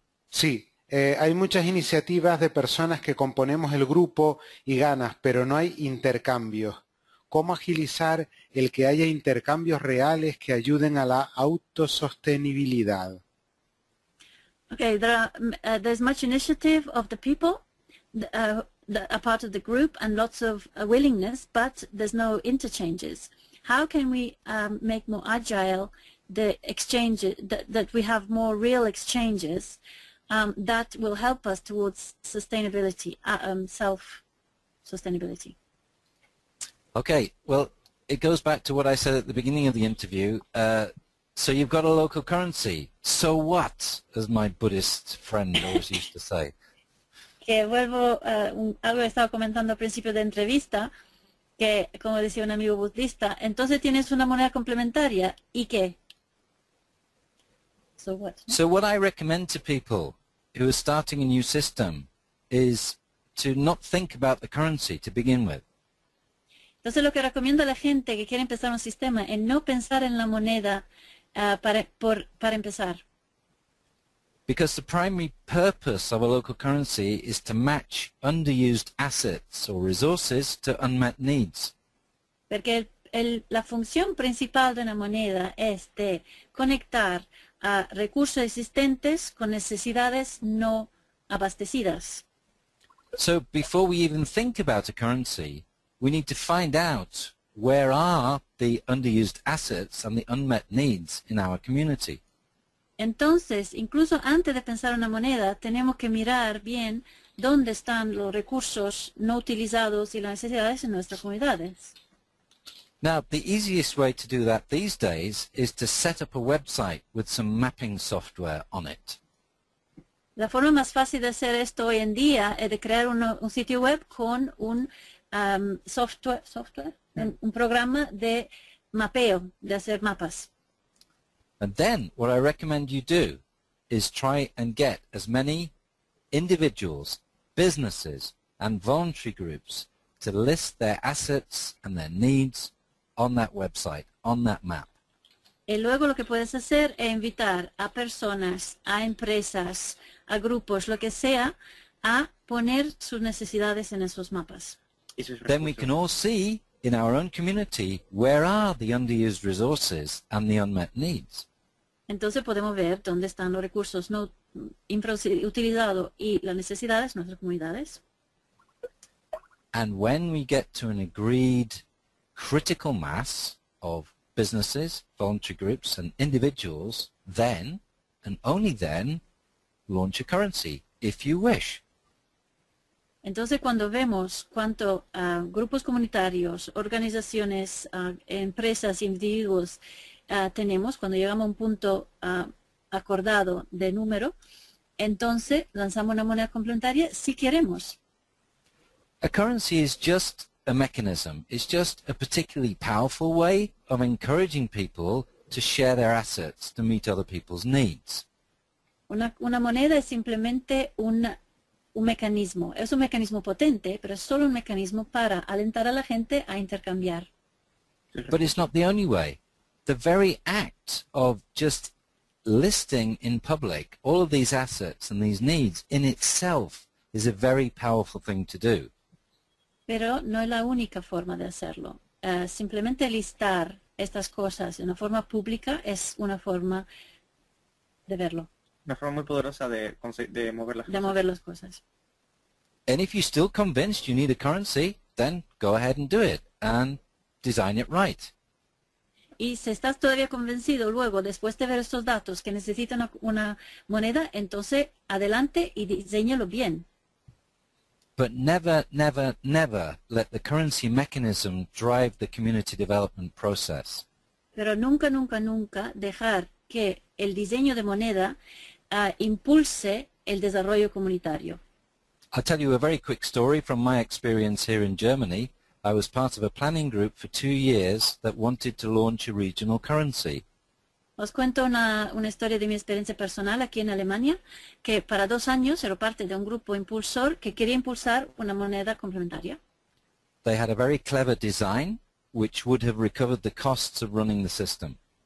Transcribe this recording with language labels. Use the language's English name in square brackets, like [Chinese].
[Spanish] Sí, hay muchas iniciativas de personas que componemos el grupo y ganas, pero no hay intercambios. ¿Cómo agilizar el que haya intercambios reales que ayuden a la autosostenibilidad? [English] Okay, there's much initiative of the people that are part of the group and lots of willingness, but there's no interchanges. How can we make more agile the exchange, that we have more real exchanges that will help us towards sustainability, self-sustainability? Okay, well, it goes back to what I said at the beginning of the interview. So you've got a local currency. So what, as my Buddhist friend always used to say. [Spanish] Que vuelvo algo que estaba comentando al principio de entrevista, que como decía un amigo budista, entonces tienes una moneda complementaria, ¿y qué? [English] So what? So what I recommend to people who are starting a new system is to not think about the currency to begin with. [Spanish] Entonces lo que recomiendo a la gente que quiere empezar un sistema es no pensar en la moneda para empezar. [English] Because the primary purpose of a local currency is to match underused assets or resources to unmet needs. [Spanish] Porque la función principal de una moneda es de conectar a recursos existentes con necesidades no abastecidas. [English] So before we even think about a currency, we need to find out where are the underused assets and the unmet needs in our community. [Spanish] Entonces, incluso antes de pensar una moneda, tenemos que mirar bien dónde están los recursos no utilizados y las necesidades en nuestras comunidades. [English] Now, the easiest way to do that these days is to set up a website with some mapping software on it. [Spanish] La forma más fácil de hacer esto hoy en día es de crear un sitio web con un un programa de mapeo, de hacer mapas. [English] And then what I recommend you do is try and get as many individuals, businesses, and voluntary groups to list their assets and their needs on that website, on that map. [Spanish] Y luego lo que puedes hacer es invitar a personas, a empresas, a grupos, lo que sea, a poner sus necesidades en esos mapas. [English] Then we can all see in our own community where are the underused resources and the unmet needs. [Spanish] Entonces podemos ver dónde están los recursos no utilizados y las necesidades de nuestras comunidades. [English] And when we get to an agreed critical mass of businesses, voluntary groups, and individuals, then, and only then, launch a currency, if you wish. [Spanish] Entonces, cuando vemos cuánto grupos comunitarios, organizaciones, empresas, individuos tenemos, cuando llegamos a un punto acordado de número, entonces lanzamos una moneda complementaria si queremos. [English] A currency is just a mechanism. It's just a particularly powerful way of encouraging people to share their assets to meet other people's needs. [Spanish] Una moneda es simplemente un mecanismo. Es un mecanismo potente, pero es solo un mecanismo para alentar a la gente a intercambiar. [English] But it's not the only way. The very act of just listing in public all of these assets and these needs in itself is a very powerful thing to do. [Spanish] Pero no es la única forma de hacerlo. Simplemente listar estas cosas en una forma pública es una forma de verlo. Una forma muy poderosa de mover las cosas. De mover las cosas. [English] And if you're still convinced you need a currency, then go ahead and do it and design it right. [Spanish] Y si estás todavía convencido luego, después de ver estos datos, que necesitas una moneda, entonces adelante y diseñalo bien. [English] But never, never, never let the currency mechanism drive the community development process. [Spanish] Pero nunca, nunca, nunca dejar que el diseño de moneda impulse el desarrollo comunitario. [English] I'll tell you a very quick story from my experience here in Germany. I was part of a planning group for 2 years that wanted to launch a regional currency. [Spanish] Os cuento una historia de mi experiencia personal aquí en Alemania, que para 2 años era parte de un grupo impulsor que quería impulsar una moneda complementaria. [English] They had a very clever design, which would have recovered the costs of running the system.